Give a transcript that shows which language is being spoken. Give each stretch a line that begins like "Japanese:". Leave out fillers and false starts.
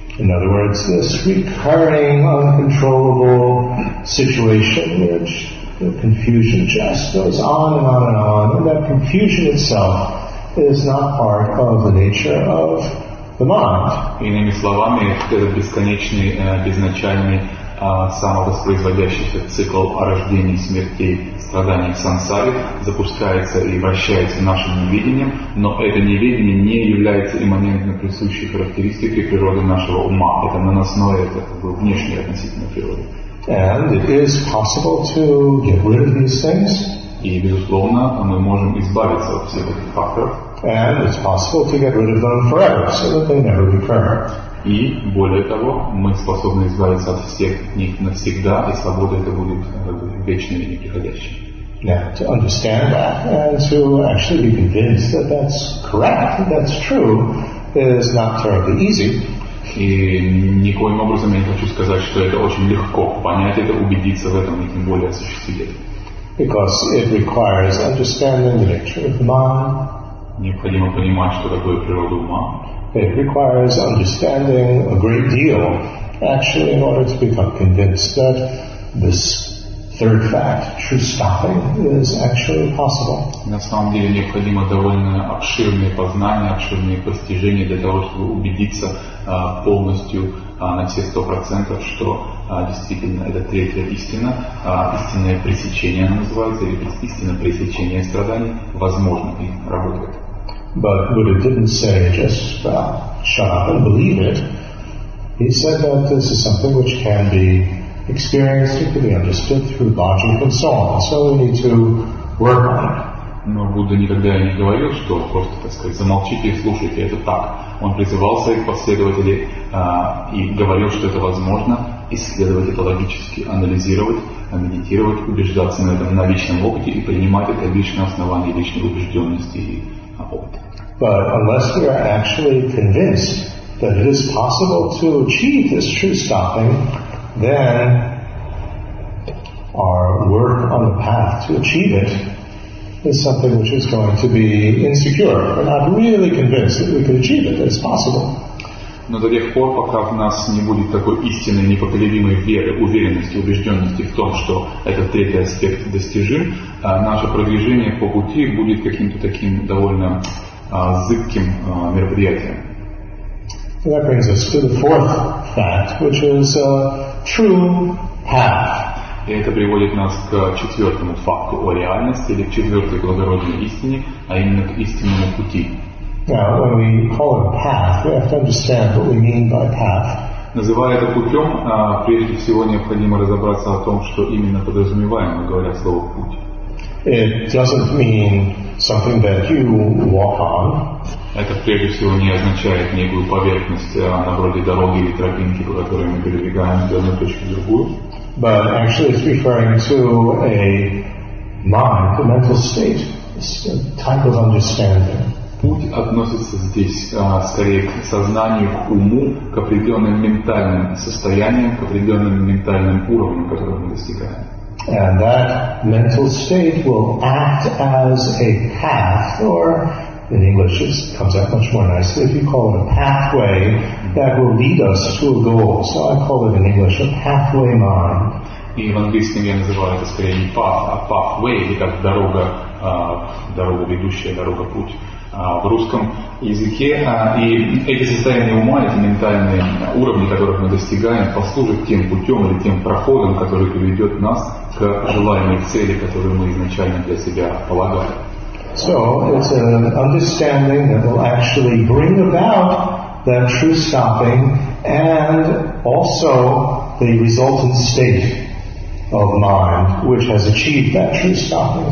English: In other words, this recurring, uncontrollable situation, which the confusion just goes on and on and on, and that confusion itself is not part of the nature of the mind.
Russian: Иными словами, это бесконечный, безначальный, самовоспроизводящийся цикл рождений, смертей, страданий в сансаре запускается и вращается нашим неведением, но это неведение не является имманентно присущей характеристикой природы нашего ума. Это наносное, это как бы внешнее относительно природы.
English: And it is possible to get rid of these things.
Russian: И, безусловно, мы можем избавиться от всех этих факторов.
English: And it's possible to get rid of them forever, so that they never recur.
Russian: И, более того, мы способны избавиться от всех них навсегда, и свобода эта будет вечной и неприходящей.
English: Now, to understand that, and to actually be convinced that that's correct, that's true, is not terribly easy.
Russian: И никоим образом я не хочу сказать, что это очень легко понять это, убедиться в этом, и тем более осуществить это.
English: Because it requires understanding the nature of the mind.
Russian: Необходимо понимать, что такое природа ума.
English: It requires understanding a great deal, actually, in order to become convinced that this third fact, true stopping, is actually possible.
Russian: На самом деле необходимо довольно обширное познание, обширные постижения для того, чтобы убедиться полностью на все 100%, что действительно это третья истина, истинное пресечение она называется, или истинное пресечение страданий возможно и работает.
English: But Buddha didn't say just shut up and believe it. He said that this is something which can be experienced, it can be understood through logic and so on. So we need to work on it.
Russian: Но Будда никогда не говорил, что просто, так сказать, замолчите и слушайте, это так. Он призывал своих последователей и говорил, что это возможно исследовать это логически, анализировать, медитировать, убеждаться на этом на личном опыте и принимать это личное основание личной убежденности и опыта.
English: But unless we are actually convinced that it is possible to achieve this true stopping, then our work on the path to achieve it is something which is going to be insecure. We're not really convinced that we can achieve it, that it's possible.
Russian: Но до тех пор, пока в нас не будет такой истинной, непоколебимой веры, уверенности, убежденности в том, что этот третий аспект достижим, наше продвижение по пути будет каким-то таким довольно зыбким мероприятием.
English: So that brings us to the fourth fact, which is a true path.
Russian: И это приводит нас к четвертому факту о реальности, или к четвертой благородной истине, а именно к истинному пути.
English: Now, when we call it a path, we have to understand what we mean by path.
Russian: Называя это путем, прежде всего необходимо разобраться о том, что именно подразумеваем, говоря слово «путь».
English: It doesn't mean something that you walk on.
Russian: Это прежде всего не означает некую поверхность, на вроде дороги или тропинки, по которой мы передвигаем с одной точки в другую.
English: But actually it's referring to a mind, a mental state, a type of understanding.
Russian: Путь относится здесь скорее к сознанию, к уму, к определенным ментальным состояниям, к определенным ментальным уровням, которые мы достигаем.
English: And that mental state will act as a path, or in English it comes out much more nicely if you call it a pathway, that will lead us to a goal. So I call it in English a pathway mind.
Russian: И в английском я называю это скорее не path, а pathway, или как дорога, дорога ведущая, дорога путь в русском языке. И эти состояния ума, эти ментальные уровни, которых мы достигаем, послужат тем путем или тем проходом, который приведет нас к желаемой цели, которую мы изначально для себя полагали.
English: So it's an understanding that will actually bring about that true stopping and also the resultant state of mind, which has achieved that true stopping.